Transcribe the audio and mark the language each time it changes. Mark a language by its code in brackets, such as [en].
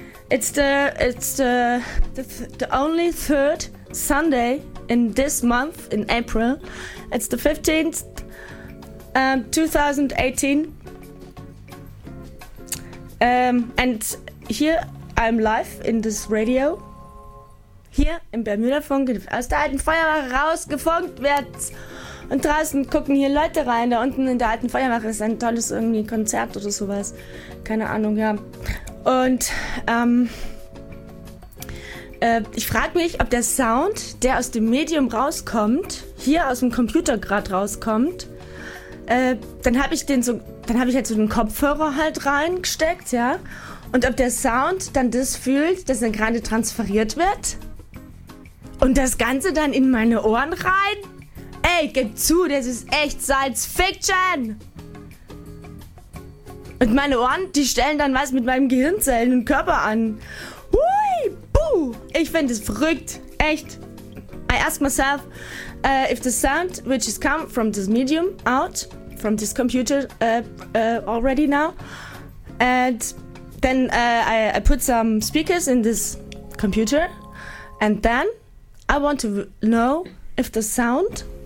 [en] It's the only third Sunday in this month, in April. It's the 15th, 2018. And here I'm live in this radio. [de] Hier im Bermuda-Funk, aus der alten Feuerwache rausgefunkt wird. Und draußen gucken hier Leute rein. Da unten in der alten Feuerwache ist ein tolles irgendwie Konzert oder sowas. Keine Ahnung, ja. Und ich frage mich, ob der Sound, der aus dem Medium rauskommt, hier aus dem Computer gerade rauskommt, dann habe ich halt so den Kopfhörer halt reingesteckt, ja. Und ob der Sound dann das fühlt, dass er gerade transferiert wird und das Ganze dann in meine Ohren rein? Ey, gib zu, das ist echt Science Fiction! Und meine Ohren, die stellen dann was mit meinem Gehirnzellen und Körper an. Hui, buh! Ich finde es verrückt, echt. [en] I ask myself, if the sound which has come from this medium out, from this computer already now, and then I put some speakers in this computer, and then I want to know if the sound...